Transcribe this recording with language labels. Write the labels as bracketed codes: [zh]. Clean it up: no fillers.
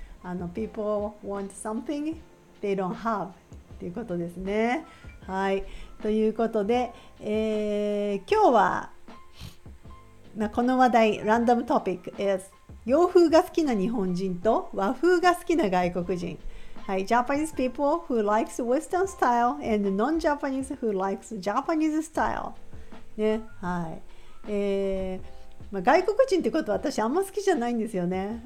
[en] People want something they don't have [ja] っていうことですね。はい、ということで、今日は、この話題、ランダムトピック [en] is [ja] 洋風が好きな日本人と和風が好きな外国人。 [en] はい、Japanese people who likes Western style and non-Japanese who likes Japanese style. [ja] ね、はい、外国人ってことは私あんま好きじゃないんですよね。